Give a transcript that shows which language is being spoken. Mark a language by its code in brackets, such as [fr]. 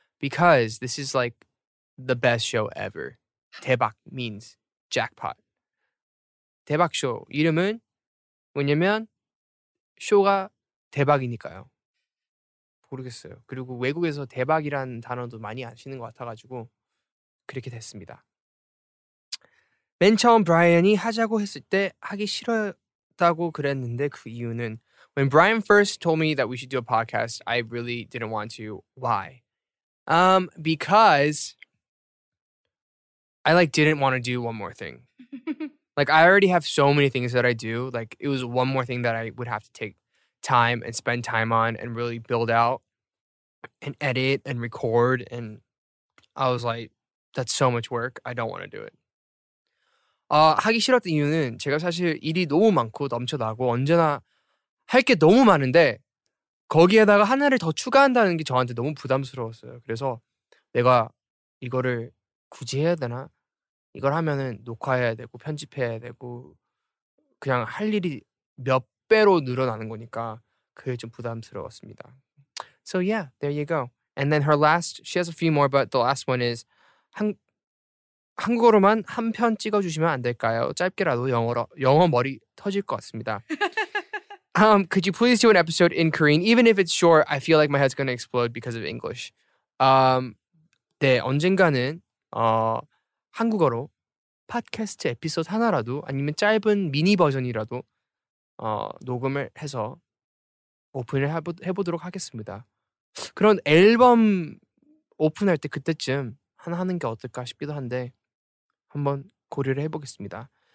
[en] Because this is like the best show ever. 대박 means jackpot. [ko] 대박쇼 이름은 왜냐면 쇼가 대박이니까요. 모르겠어요. 그리고 외국에서 대박이라는 단어도 많이 아시는 것 같아가지고 그렇게 됐습니다. 맨 처음 브라이언이 하자고 했을 때 하기 싫었다고 그랬는데 그 이유는 [en] When Brian first told me that we should do a podcast, I really didn't want to. Why? Because I like didn't want to do one more thing. Like I already have so many things that I do. Like it was one more thing that I would have to take time and spend time on and really build out and edit and record. And I was like, that's so much work. I don't want to do it. [ko] 하기 싫었던 이유는 제가 사실 일이 너무 많고 넘쳐나고 언제나 할 게 너무 많은데 거기에다가 하나를 더 추가한다는 게 저한테 너무 부담스러웠어요. 그래서 내가 이거를 굳이 해야 되나? 이걸 하면은 녹화해야 되고 편집해야 되고 그냥 할 일이 몇 배로 늘어나는 거니까 그게 좀 부담스러웠습니다. [en] So yeah, there you go. And then her last, she has a few more, but the last one is [ko] 한국어로만 한 편 찍어주시면 안 될까요? 짧게라도 영어 머리 터질 것 같습니다. [en] Could you please do an episode in Korean? Even if it's short, I feel like my head's going to explode because of English. [ko] 네, 언젠가는 한국어로 팟캐스트 에피소드 하나라도 아니면 짧은 미니 버전이라도 녹음을 해서 오픈을 해보도록 하겠습니다. 그런 앨범 오픈할 때 그때쯤 하는 게 어떨까 싶기도 한데 한번 고려를 해보겠습니다.